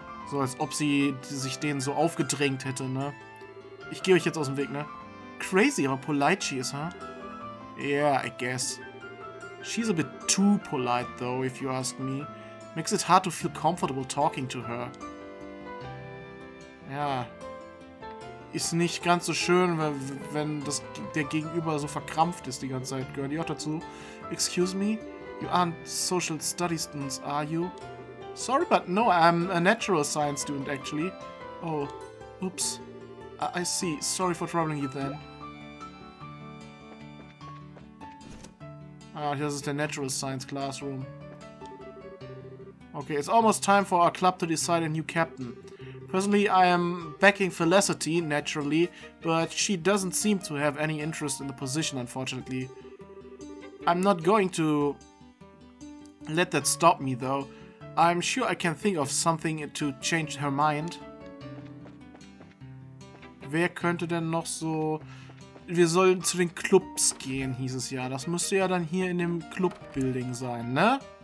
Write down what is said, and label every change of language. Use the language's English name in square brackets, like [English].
[German] So, als ob sie sich denen so aufgedrängt hätte, ne? Ich gehe euch jetzt aus dem Weg, ne? [English] Crazy how polite she is, huh? Yeah, I guess. She's a bit too polite, though, if you ask me. Makes it hard to feel comfortable talking to her. [German] Ja. Ist nicht ganz so schön, wenn das der Gegenüber so verkrampft ist die ganze Zeit. Gehört ihr auch dazu? [English] Excuse me? You aren't social studies students, are you? Sorry, but no, I'm a natural science student, actually. Oh, oops. I see. Sorry for troubling you then. Ah, this is the natural science classroom. Okay, it's almost time for our club to decide a new captain. Personally, I am backing Felicity, naturally, but she doesn't seem to have any interest in the position, unfortunately. I'm not going to let that stop me, though. I'm sure I can think of something to change her mind. [German] Wer könnte denn noch so... Wir sollen zu den Clubs gehen, hieß es ja. Das müsste ja dann hier in dem Club-Building sein, ne?